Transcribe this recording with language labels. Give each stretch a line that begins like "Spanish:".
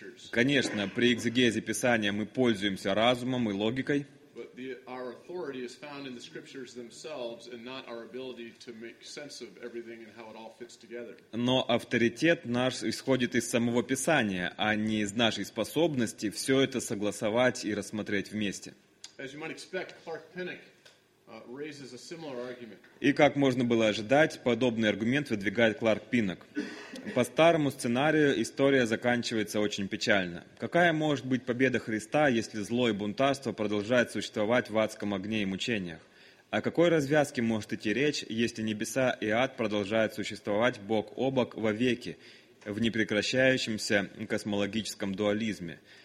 Russian: Конечно, при экзегезе Писания мы пользуемся разумом и логикой.
English: But our authority is found in the scriptures themselves and not our ability to make sense of everything and how it all fits together.
Russian: Но авторитет наш исходит из самого Писания, а не из нашей способности все это согласовать и рассмотреть вместе.
English: As you might expect, Clark Pinnock raises a similar argument.
Russian: И как можно было ожидать, подобный аргумент выдвигает Кларк Пиннок. По старому сценарию история заканчивается очень печально. Какая может быть победа Христа, если зло и бунтарство продолжают существовать в адском огне и мучениях? О какой развязке может идти речь, если небеса и ад продолжают существовать бок о бок вовеки в непрекращающемся космологическом дуализме?